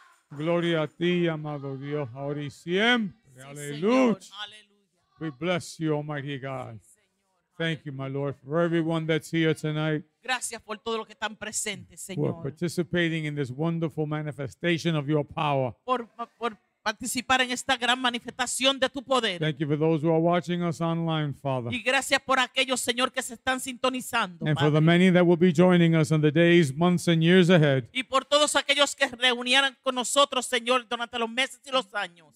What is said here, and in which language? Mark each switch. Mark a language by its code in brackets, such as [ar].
[es] Gloria a ti, amado Dios, ahora y siempre. Sí, aleluya. Señor. Aleluya. [en] We bless you, Almighty God. [es] Sí, Señor. [en] Thank you, my Lord, for everyone that's here tonight. [es] Gracias por todos los que están presentes, Señor. [en] For participating in this wonderful manifestation of your power. [es] Por participar en esta gran manifestación de tu poder. [en] Thank you for those who are watching us online, Father. [es] Y gracias por aquellos, Señor, que se están sintonizando, [en] Padre. And for the many that will be joining us in the days, months, and years ahead. [es] Y por todos aquellos que reunieran con nosotros, Señor, durante los meses y los años.